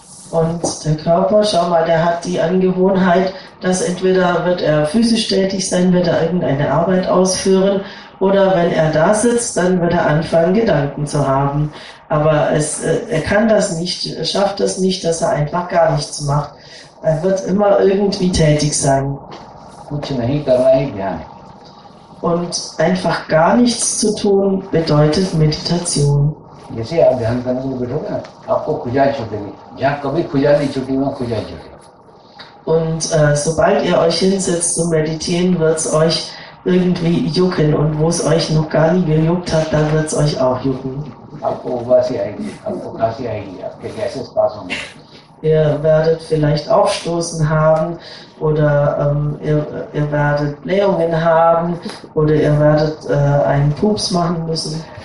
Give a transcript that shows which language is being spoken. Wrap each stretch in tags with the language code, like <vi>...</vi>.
<de>Und der Körper, schau mal, der hat die Angewohnheit, dass entweder wird er physisch tätig sein, wird er irgendeine Arbeit ausführen, oder wenn er da sitzt, dann wird er anfangen, Gedanken zu haben. Aber er kann das nicht, er schafft das nicht, dass er einfach gar nichts macht. Er wird immer irgendwie tätig sein. Und einfach gar nichts zu tun, bedeutet Meditation.</de> <hi>जैसे आप ध्यान करने को बैठोगे ना आपको खुजा छूटेगी, जहाँ कभी खुजा नहीं छूटी वहाँ खुजा छूटेगी।</hi> <de>Und sobald ihr euch hinsetzt zum Meditieren, wird es euch irgendwie jucken. Und wo es euch noch gar nie gejuckt hat, dann wird es euch auch jucken.</de> <hi>आपको उबासी आएगी, आपको खांसी आएगी, आपके गैसेस पास होंगे।</hi> <de>Ihr werdet vielleicht Aufstoßen haben oder ihr werdet Blähungen haben oder ihr werdet einen Pups machen müssen.</de>